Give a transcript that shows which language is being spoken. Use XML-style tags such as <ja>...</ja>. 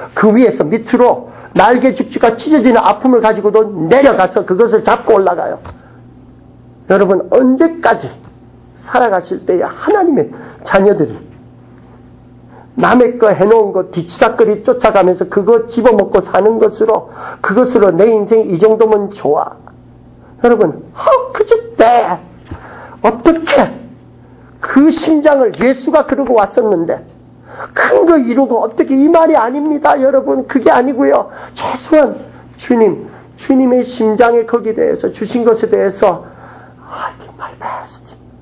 <ko>그 위에서 밑으로 날개 죽지가 찢어지는 아픔을 가지고도 내려가서 그것을 잡고 올라가요. 여러분, 언제까지 살아가실 때에 하나님의 자녀들이 남의 거 해놓은 거 뒤치다거리 쫓아가면서 그거 집어먹고 사는 것으로, 그것으로 내 인생이 이 정도면 좋아.</ko> <en>여러분, how could you dare?</en> <ko>어떻게 그 심장을, 예수가 그러고 왔었는데 큰 거 이루고 어떻게, 이 말이 아닙니다. 여러분, 그게 아니고요. 최소한 주님의 심장에 거기 대해서 주신 것에 대해서</ko> <en>I did my best.</en>